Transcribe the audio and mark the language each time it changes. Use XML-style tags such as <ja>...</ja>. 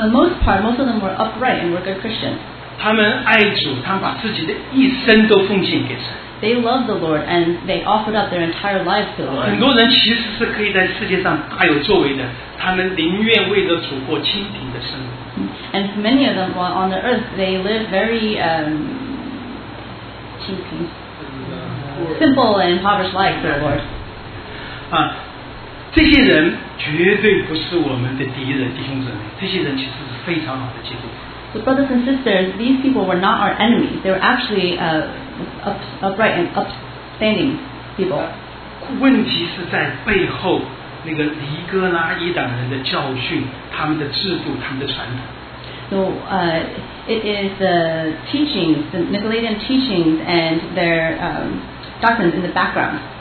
<en>the most part, most of them were upright and were good Christians.</en> <zh>他们爱主，他们把自己的一生都奉献给神。</zh> <en>They loved the Lord and they offered up their entire lives to the Lord.</en> <zh>很多人其实是可以在世界上大有作为的，他们宁愿为了主过清贫的生活。</zh> <en>And many of them while on the earth, they live very simple and impoverished life for the Lord.</en> <zh>这些人绝对不是我们的敌人，弟兄姊妹。这些人其实是非常好的基督徒。</zh> <en>So brothers and sisters, these people were not our enemies. They were actually upright and upstanding people.</en> <zh>问题是在背后那个尼哥拉伊党人的教训，他们的制度，他们的传统。</zh> <en>So it is the teachings, the Nicolaitan teachings, and their doctrines in the background.</en>